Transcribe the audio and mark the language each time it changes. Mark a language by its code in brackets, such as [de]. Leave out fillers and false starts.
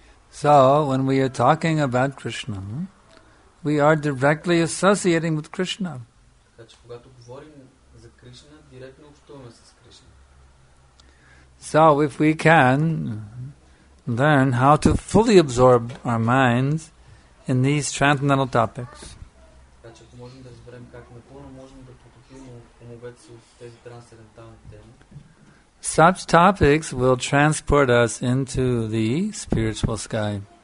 [en] So, when we are talking about Krishna, we are directly associating with Krishna. [bg] Значи, когато говорим за Кришна, директно общуваме с Кришна. [en] So if we can learn how to fully absorb our minds in these transcendental topics. [bg] Значи, ако можем да разберем как напълно можем да потопим умовете си от тези трансцендентални теми. [en] Such topics will transport us into the spiritual sky.